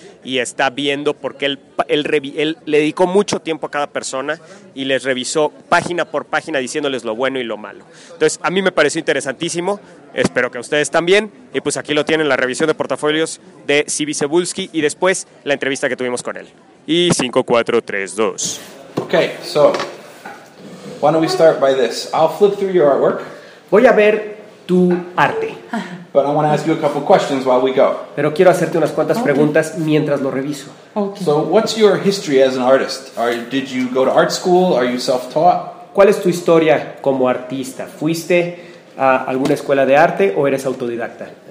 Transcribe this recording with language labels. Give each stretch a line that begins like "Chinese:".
Spanish: y está viendo porque él le dedicó mucho tiempo a cada persona y les revisó página por página diciéndoles lo bueno y lo malo. Entonces, a mí me pareció interesantísimo, espero que a ustedes también, y pues aquí lo tienen, la revisión de portafolios de C.B. Cebulski y después la entrevista que tuvimos con él. Y 5-4-3-2.
English: Okay, so why don't we start by this? I'll flip through your artwork.
Spanish: Voy a ver tu arte.
English: But I want to ask you a couple questions while we go.
Spanish: Pero quiero hacerte unas cuantas preguntas mientras lo reviso.
English: Okay. So what's your history as an artist? Did you go to art school? Are you self-taught?
Spanish: ¿Cuál es tu historia como artista? ¿Fuiste a alguna escuela de arte o eres autodidacta?